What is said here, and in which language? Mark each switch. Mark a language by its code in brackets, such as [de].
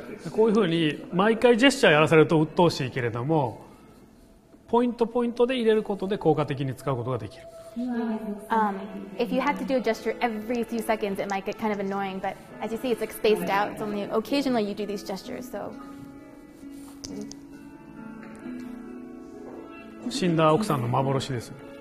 [ja] こういうふうに毎回ジェスチャーやらされると鬱陶しいけれども、ポイントポイントで入れることで効果的に使うことができる。 [en] If you had to do a gesture every few seconds, it might get kind of annoying, but as you see, it's like spaced out. It's only occasionally you do these gestures, so. [ja] 死んだ奥さんの幻です。